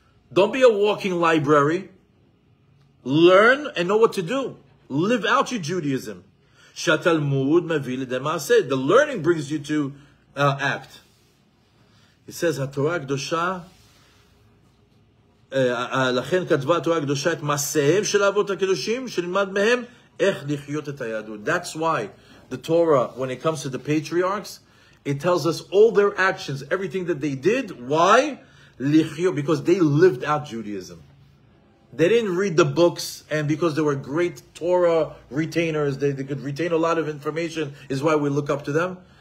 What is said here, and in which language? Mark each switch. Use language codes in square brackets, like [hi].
[en] Don't be a walking library. Learn and know what to do. Live out your Judaism. [he] Shatalmud mevil demaseh. [en] The learning brings you to act. He says, HaTorah Kedosha. [he] לכן כתבה התורה הקדושה את מעשיהם של האבות הקדושים שנלמד מהם איך לחיות את היהדות. [en] That's why the Torah, when it comes to the patriarchs, it tells us all their actions, everything that they did. Why? לחיות, because they lived out Judaism. They didn't read the books, and because they were great Torah retainers, they could retain a lot of information, is why we look up to them.